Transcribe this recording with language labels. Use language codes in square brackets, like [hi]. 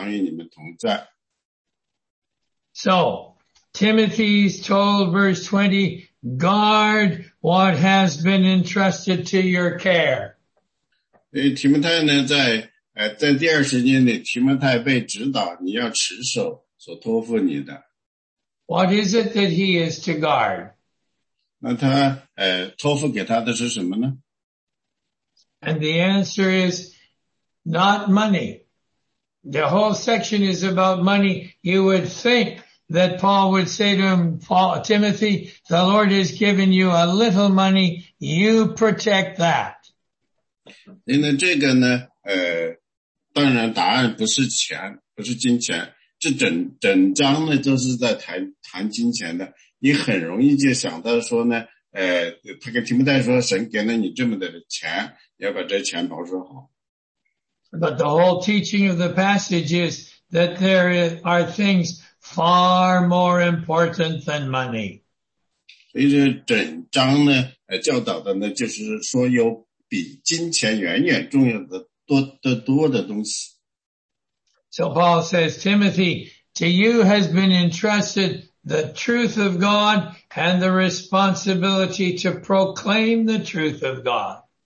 [zh] 所以呢，这个第二十节就是这样的。提摩太啊，你要保守所托付你的，躲避世俗的虚谈和那敌真道似是而非的学问。已经有人自称有这学问，就偏离了真道。愿恩惠常与你们同在。 [en] So Timothy is told, verse 20, guard what has been entrusted to your care. [zh] 所以提摩太呢，在 在第二十年里，提摩太被指导，你要持守所托付你的。 [en] What is it that he is to guard? [zh] 那他 托付给他的是什么呢？ [en] And the answer is not money. The whole section is about money. You would think that Paul would say to him, Paul, Timothy, the Lord has given you a little money. You protect that. [zh] 因为这个呢， 当然，答案不是钱，不是金钱，这整章呢都是在谈金钱的。你很容易就想到说呢，他跟提摩太说，神给了你这么多的钱，要把这钱保守好。 [en] But the whole teaching of the passage is that there are things far more important than money. [zh] 所以这整章呢，教导的呢，就是说有比金钱远远重要的。 [en] So Paul says, Timothy, to you has been entrusted the truth of God and the responsibility to proclaim the truth of God.